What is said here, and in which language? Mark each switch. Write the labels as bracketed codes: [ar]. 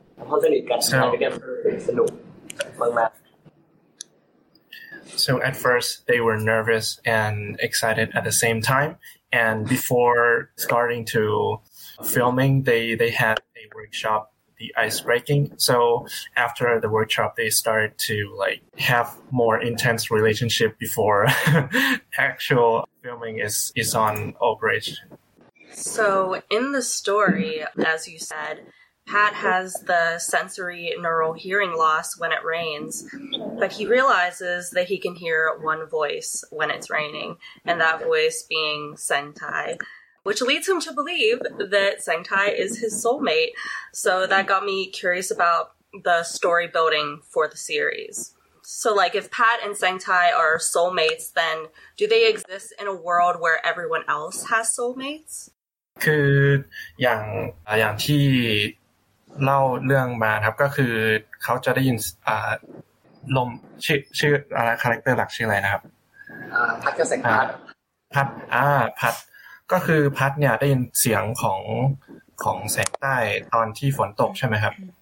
[th] พอสนิทกันมันก็เป็นสนุกมากๆ [en] So at first they were nervous and excited at the same time and before starting to filming they had a workshop the ice breaking so after the workshop they started to like have more intense relationship before actual filming is on operation So in the story as you saidPat has the sensory neural hearing loss when it rains, but he realizes that he can hear one voice when it's raining, and that voice being Sengtai, which leads him to believe that Sengtai is his soulmate. So that got me curious about the story building for the series. So like if Pat and Sengtai are soulmates, then do they exist in a world where everyone else has soulmates? Could Yang, Yang Chi... [th] เล่าเรื่องมาครับก็คือเขาจะได้ยินลมชื่ออะไรคาแรคเตอร์หลักชื่ออะไรนะครับ พัดกระแสงพัด พัดพัดก็คือพัดเนี่ยได้ยินเสียงของแสงใต้ตอนที่ฝนตกใช่ไหมครับ